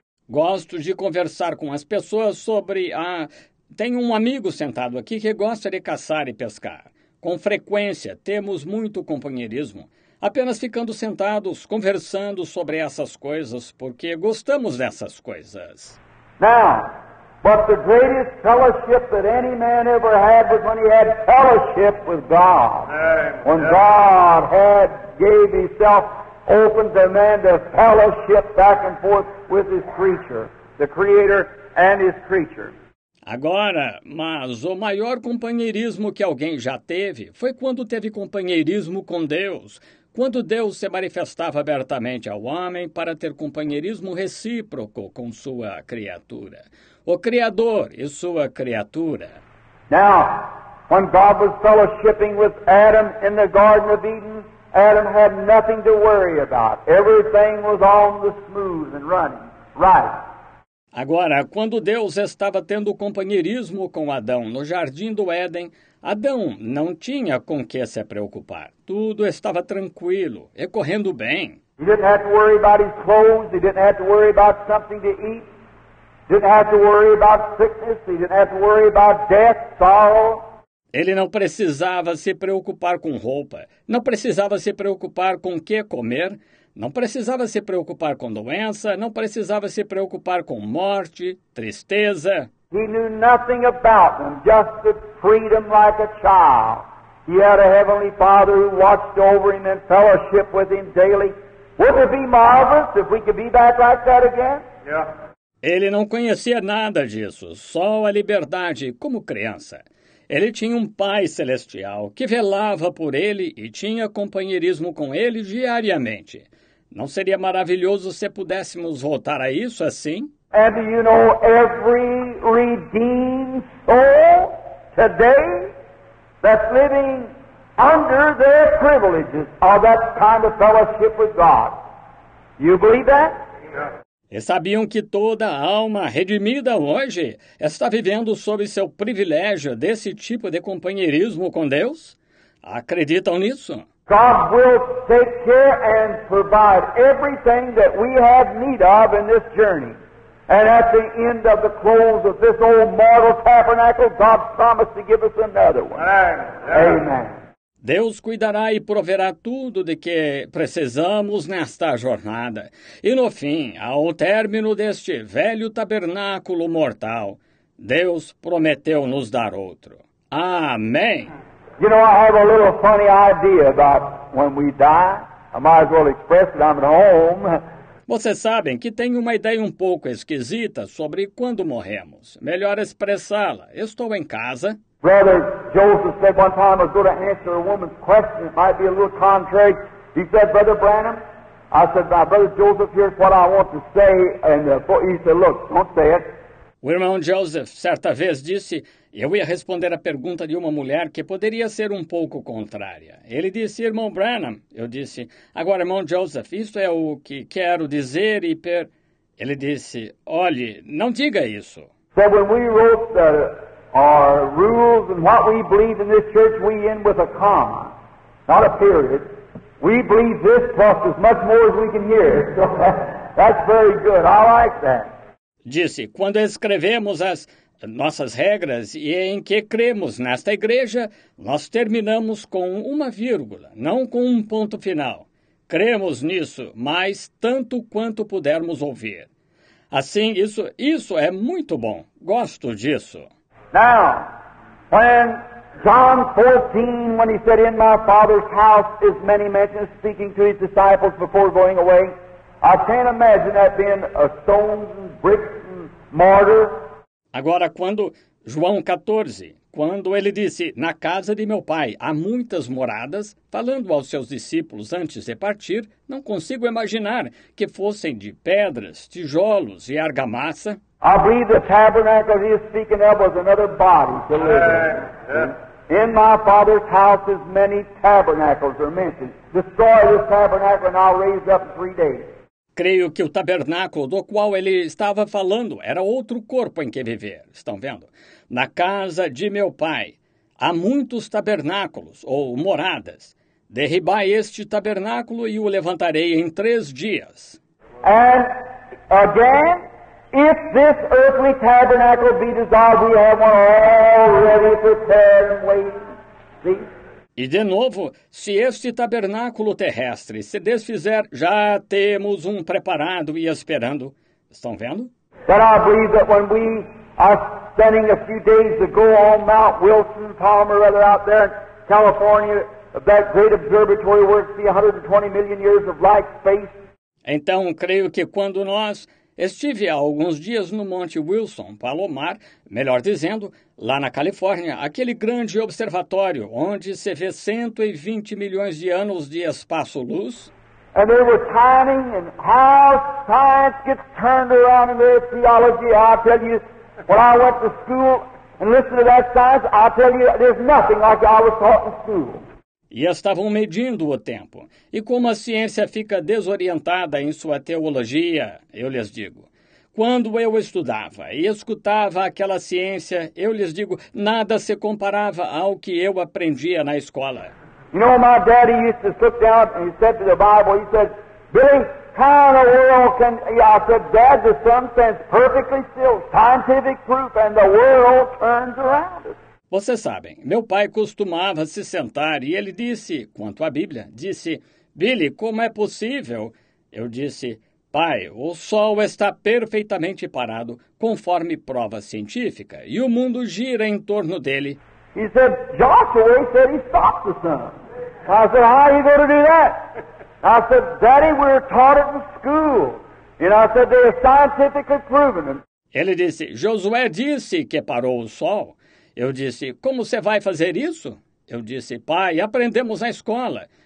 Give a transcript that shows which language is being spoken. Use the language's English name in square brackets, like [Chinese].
[Portuguese] Gosto de conversar com as pessoas sobre a... Tem um amigo sentado aqui que gosta de caçar e pescar. Com frequência, temos muito companheirismo. Apenas ficando sentados, conversando sobre essas coisas, porque gostamos dessas coisas. [English] Now, but the greatest fellowship that any man ever had was when he had fellowship with God. When God had gave himself... opens a man to fellowship back and forth with his creature, the creator and his creature. [Portuguese] Agora, mas o maior companheirismo que alguém já teve foi quando teve companheirismo com Deus, quando Deus se manifestava abertamente ao homem para ter companheirismo recíproco com sua criatura, o Criador e sua criatura. [English] Now, when God was fellowshipping with Adam in the Garden of Eden, Adam had nothing to worry about. Everything was on the smooth and running, right. [Portuguese] Agora, quando Deus estava tendo companheirismo com Adão no Jardim do Éden, Adão não tinha com que se preocupar. Tudo estava tranquilo e correndo bem. [English] He didn't have to worry about his clothes. He didn't have to worry about something to eat. Didn't have to worry about sickness. He didn't have to worry about death, sorrow. [Portuguese] Ele não precisava se preocupar com roupa, não precisava se preocupar com o que comer, não precisava se preocupar com doença, não precisava se preocupar com morte, tristeza. [English] He knew nothing about them, just the freedom like a child. He had a heavenly father who watched over him and fellowship with him daily. Wouldn't it be marvelous if we could be back like that again? Yeah. [Portuguese] Ele não conhecia nada disso, só a liberdade como criança. Ele tinha um Pai Celestial que velava por ele e tinha companheirismo com ele diariamente. Não seria maravilhoso se pudéssemos voltar a isso assim? [English] And do you know every redeemed soul today that's living under their privileges of that kind of fellowship with God? You believe that? [Portuguese] E sabiam que toda alma redimida hoje está vivendo sob seu privilégio desse tipo de companheirismo com Deus? Acreditam nisso? [English] God will take care and provide everything that we have need of in this journey. And at the end of the close of this old mortal tabernacle, God promised to give us another one. Amen. [Portuguese] Deus cuidará e proverá tudo de que precisamos nesta jornada. E no fim, ao término deste velho tabernáculo mortal, Deus prometeu nos dar outro. Amém! [English] You know, I have a little funny idea about when we die. I might as well express it, I'm at home. [Portuguese] Vocês sabem que tenho uma ideia um pouco esquisita sobre quando morremos. Melhor expressá-la. Estou em casa. [English] Brother Joseph said one time, I was going to answer a woman's question. It might be a little contrary. He said, Brother Branham, I said, my brother Joseph, here's what I want to say. And he said, look, don't say it. [Portuguese] O irmão Joseph, certa vez, disse, eu ia responder a pergunta de uma mulher que poderia ser um pouco contrária. Ele disse, irmão Branham, eu disse, agora, irmão Joseph, isso é o que quero dizer e per... Ele disse, olhe, não diga isso. [English] So when we wrote the, our rules and what we believe in this church, we end with a comma, not a period. We believe this plus as much more as we can hear. So that's very good. I like that. [Portuguese] Disse, quando escrevemos as nossas regras e em que cremos nesta igreja, nós terminamos com uma vírgula, não com um ponto final. Cremos nisso, mas tanto quanto pudermos ouvir. Assim, isso é muito bom. Gosto disso. [English] Now, when John 14, when he said, "In my Father's house is many mansions," speaking to his disciples before going away, I can't imagine that being a stone, bricks, and mortar. [Portuguese] Agora, quando João 14, quando ele disse, "Na casa de meu pai há muitas moradas," falando aos seus discípulos antes de partir, não consigo imaginar que fossem de pedras, tijolos e argamassa. [English] I believe the tabernacle he is speaking of was another body to live in. In my Father's house is many tabernacles are mentioned. Destroy this tabernacle and I'll raise up in 3 days. [Portuguese] Creio que o tabernáculo do qual ele estava falando era outro corpo em que viver. Estão vendo? Na casa de meu pai há muitos tabernáculos ou moradas. Derribai este tabernáculo e o levantarei em 3 dias. [English] And again, if this earthly tabernacle be dissolved, we have one already prepared and waiting. See? [Portuguese] E de novo, se este tabernáculo terrestre se desfizer, já temos um preparado e esperando. Estão vendo? [English] That I believe that when we are spending a few days to go on Mount Wilson, Palmer, rather out there in California, of that great observatory where it's 120 million years of light space. [Portuguese] Então, creio que quando nós estive há alguns dias no Monte Wilson, Palomar, melhor dizendo, lá na Califórnia, aquele grande observatório onde se vê 120 milhões de anos de espaço-luz. [English] And they were timing and how science gets turned around in their theology. I tell you, when I went to school and listened to that science, I tell you, there's nothing like I was taught in school. [Portuguese] E estavam medindo o tempo. E como a ciência fica desorientada em sua teologia, eu lhes digo, quando eu estudava e escutava aquela ciência, eu lhes digo, nada se comparava ao que eu aprendia na escola. [English] You know, my daddy used to sit down and he said to the Bible, he said, "Billy, how in the world can..." I said, "Dad, the sun stands perfectly still, scientific proof, and the world turns around." [Portuguese] Vocês sabem, meu pai costumava se sentar e ele disse, quanto à Bíblia, disse, "Billy, como é possível?" Eu disse, "Pai, o sol está perfeitamente parado, conforme prova científica, e o mundo gira em torno dele." [English] He said, "Joshua, he said he stopped the sun." I said, "How are you going to do that?" I said, "Daddy, we were taught it in school." And I said, "They are scientifically proven." [Portuguese] Ele disse, "Josué disse que parou o sol." Eu disse, "Como você vai fazer isso?" Eu disse, "Pai, aprendemos na escola."